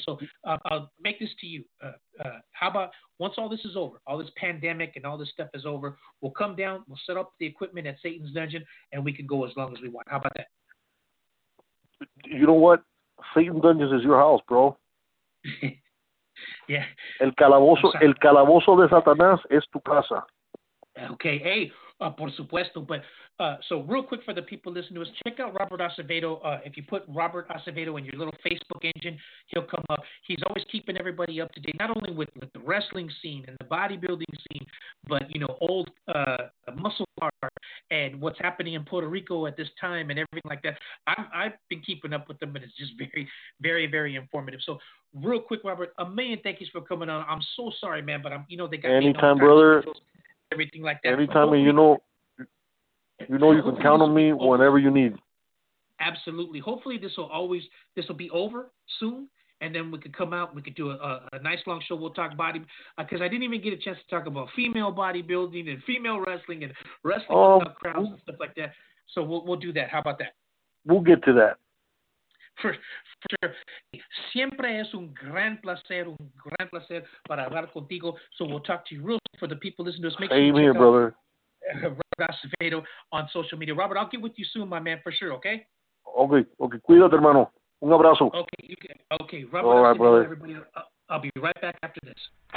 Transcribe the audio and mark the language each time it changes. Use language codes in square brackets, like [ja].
[en] So I'll make this to you. How about once all this is over, all this pandemic and all this stuff is over, we'll come down, we'll set up the equipment at Satan's Dungeon, and we can go as long as we want. How about that? You know what? Satan's Dungeon is your house, bro. Yeah. [es] El calabozo de Satanás es tu casa. [en] Okay. Hey, [es] por supuesto. [en] But so real quick for the people listening to us, check out Robert Acevedo. If you put Robert Acevedo in your little Facebook engine, he'll come up. He's always keeping everybody up to date, not only with the wrestling scene and the bodybuilding scene, but, you know, old muscle car and what's happening in Puerto Rico at this time and everything like that. I've been keeping up with them, and it's just very, very, very informative. So real quick, Robert, a million thank yous for coming on. I'm so sorry, man, but I'm, you know, they got anytime, brother. Everything like that. Anytime, and you know you can count on me whenever you need. Absolutely. Hopefully this will be over soon, and then we could come out, we could do a nice long show. We'll talk body, because I didn't even get a chance to talk about female bodybuilding and female wrestling and wrestling crowds and stuff like that. So we'll do that. How about that? We'll get to that. For sure. [es] Siempre es un gran placer para hablar contigo. [en] So we'll talk to you real soon. For the people listening to us, make same sure you here, check brother. Robert Acevedo on social media. Robert, I'll get with you soon, my man, for sure, okay? [es] Okay. Cuídate, hermano. Un abrazo. [en] Okay. Robert, all right, brother. I'll be right back after this.